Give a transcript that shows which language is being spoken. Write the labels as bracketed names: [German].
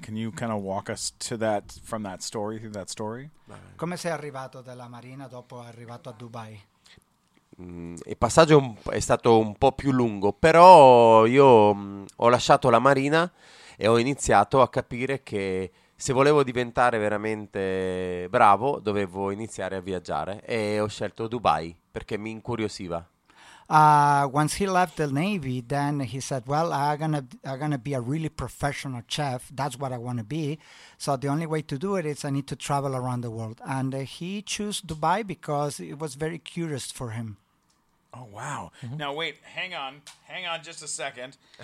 [English] Can you kind of walk us to that from that story, through that story? [Italian] Come sei arrivato dalla Marina dopo arrivato a Dubai? Il passaggio è stato un po' più lungo, però io ho lasciato la Marina e ho iniziato a capire che se volevo diventare veramente bravo, dovevo iniziare a viaggiare e ho scelto Dubai perché mi incuriosiva. [English] Once he left the Navy, then he said, well, I'm gonna be a really professional chef. That's what I want to be. So the only way to do it is I need to travel around the world. And he chose Dubai because it was very curious for him. Oh, wow. Mm-hmm. Now, wait, hang on just a second.